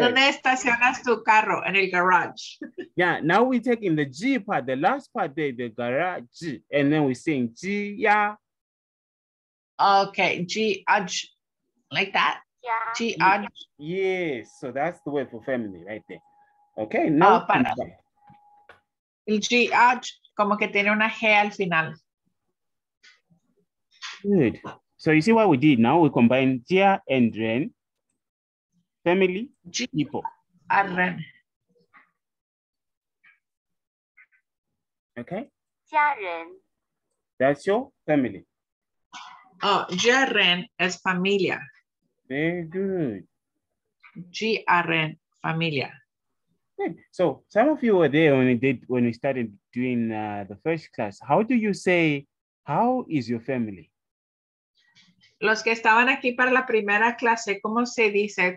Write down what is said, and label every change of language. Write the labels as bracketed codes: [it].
[es] ¿Dónde estacionas tu carro? En el garage. [en] Yeah, now we're taking the G part, the last part there, the garage, and then we're saying G, yeah. Okay, G, like that? Yeah. G, yes, so that's the word for family right there. Okay, now. [es] Para. El G, como que tiene una G al final. [en] Good. So you see what we did now? We combined Tia and Ren, family, people. Okay? Tia Ren. That's your family. Oh, Tia Ren is familia. Very good. Tia Ren, familia. Good. So some of you were there when we started doing the first class. How do you say, how is your family? [es] Los que estaban aquí para la primera clase, ¿cómo se dice?